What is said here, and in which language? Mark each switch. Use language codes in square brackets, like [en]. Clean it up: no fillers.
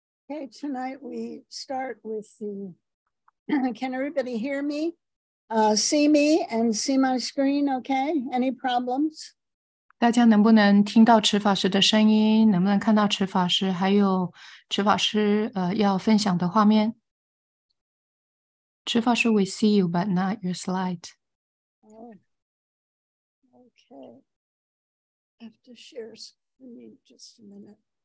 [en] Okay, tonight we start with the, can everybody hear me, see me and see my screen, okay? Any problems? [zh] 大家能不能听到持法师的声音, 能不能看到持法师, 还有持法师, 要分享的画面? [en] 持法师, we see you, but not your slide. Oh, okay. I have to share screen just a minute.